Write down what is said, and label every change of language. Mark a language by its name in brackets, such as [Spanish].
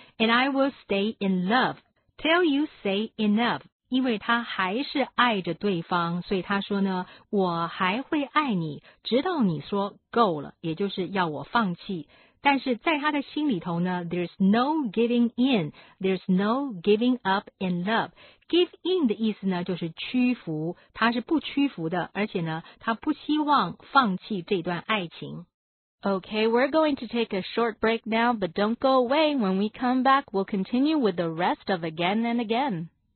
[English] And I will stay in love, till you say enough. [Chinese] 因为他还是爱着对方，所以他说呢，我还会爱你，直到你说够了，也就是要我放弃。但是在他的心里头呢， [English] There's no giving in, There's no giving up in love. [Chinese] Give in 的意思呢，就是屈服，他是不屈服的，而且呢，他不希望放弃这段爱情。 [English] Okay, we're going to take a short break now, but don't go away. When we come back, we'll continue with the rest of Again and Again.